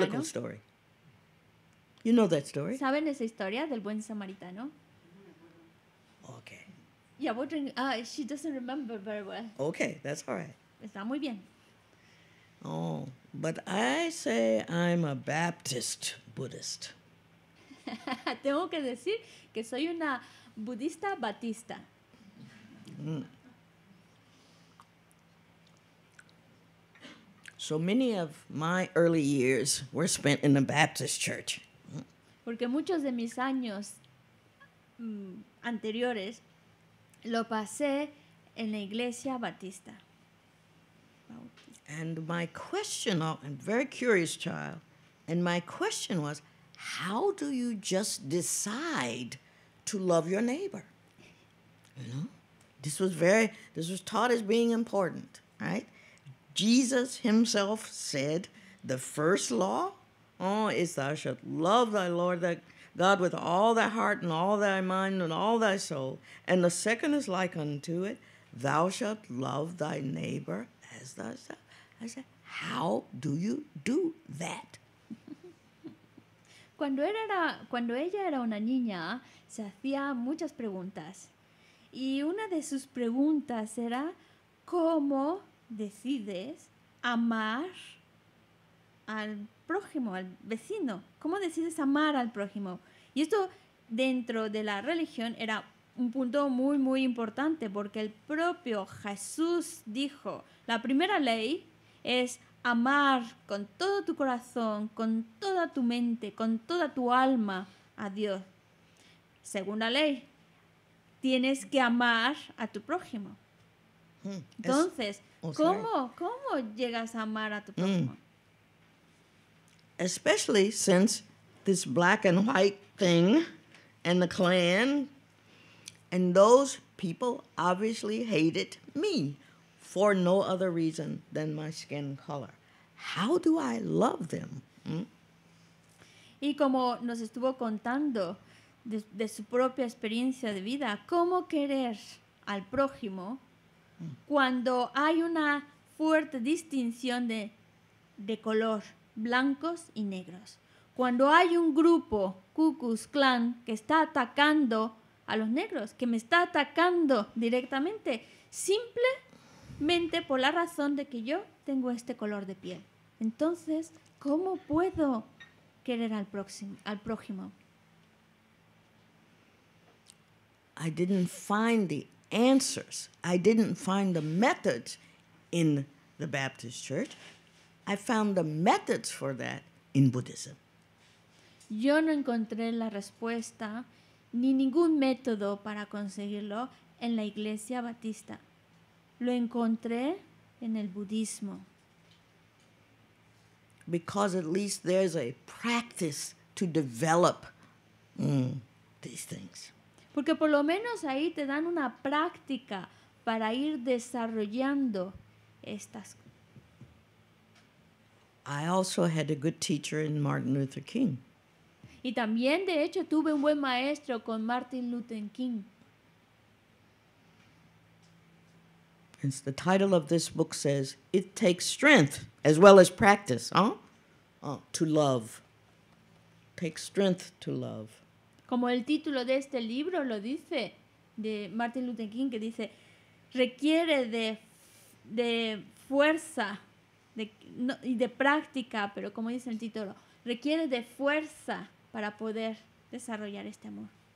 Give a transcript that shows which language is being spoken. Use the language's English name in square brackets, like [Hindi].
[English] Biblical story. You know that story? [Spanish] ¿Saben esa historia del buen samaritano? [English] Okay. Yeah, what? She doesn't remember very well. Okay, that's all right. [Spanish] Está muy bien. [English] Oh, but I say I'm a Baptist Buddhist. [Spanish] Tengo que decir que soy una budista batista. [English] So many of my early years were spent in the Baptist church. [Spanish] Porque muchos de mis años anteriores lo pasé en la iglesia batista. [English] And my question, I'm very curious child, and my question was, how do you just decide to love your neighbor? You know? This was taught as being important, right? Jesus himself said the first law, is thou shalt love thy Lord thy God with all thy heart and all thy mind and all thy soul. And the second is like unto it, thou shalt love thy neighbor as thyself. I said, how do you do that? [Spanish] Cuando ella era una niña, se hacía muchas preguntas. Y una de sus preguntas era, ¿cómo decides amar al prójimo, al vecino? ¿Cómo decides amar al prójimo? Y esto dentro de la religión era un punto muy, muy importante, porque el propio Jesús dijo, la primera ley es amar con todo tu corazón, con toda tu mente, con toda tu alma a Dios. Segunda ley, tienes que amar a tu prójimo. Entonces, ¿cómo llegas a amar a tu prójimo? [English] Especially since this black and white thing and the Klan and those people obviously hated me for no other reason than my skin color. How do I love them? [Spanish] Y como nos estuvo contando de su propia experiencia de vida, ¿cómo querer al prójimo cuando hay una fuerte distinción de color, blancos y negros? Cuando hay un grupo, Ku Klux Klan, que está atacando a los negros, que me está atacando directamente, simplemente por la razón de que yo tengo este color de piel. Entonces, ¿cómo puedo querer al prójimo? [English] I didn't find the answers. I didn't find the methods in the Baptist church. I found the methods for that in Buddhism. [Spanish] Yo no encontré la respuesta ni ningún método para conseguirlo en la iglesia batista. Lo encontré en el budismo. [English] Because at least there's a practice to develop these things. [Spanish] Porque por lo menos ahí te dan una práctica para ir desarrollando estas. [English] I also had a good teacher in Martin Luther King. [Spanish] Y también, de hecho, tuve un buen maestro con Martin Luther King. [English] And the title of this book says, "It takes strength as well as practice, to love. Takes strength to love." [Spanish] Como el título de este libro lo dice, de Martin Luther King, que dice, requiere de fuerza y de práctica, pero como dice el título, requiere de fuerza para poder desarrollar este amor.